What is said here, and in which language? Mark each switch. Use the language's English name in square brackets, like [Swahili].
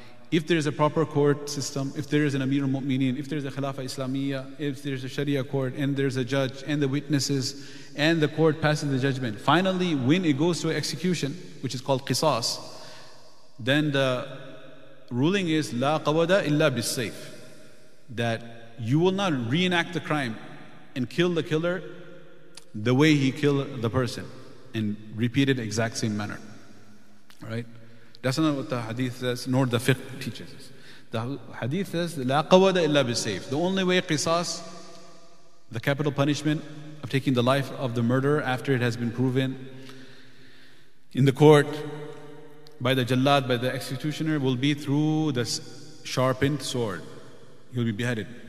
[English] If there is a proper court system, if there is an Amir al-Mu'mineen, if there is a Khilafah Islamiyah, if there is a Sharia court, and there is a judge, and the witnesses, and the court passes the judgment, finally, when it goes to execution, which is called Qisas, then the ruling is La qawada illa bis-saif, that you will not reenact the crime and kill the killer the way he killed the person, and repeat it exact same manner. Right? That's not what the hadith says, nor the fiqh teaches us. [Arabic] The hadith says, لا قوّد إلا بالسيف. [English] The only way qisas, the capital punishment of taking the life of the murderer after it has been proven in the court by the jallad, by the executioner, will be through the sharpened sword. He'll be beheaded.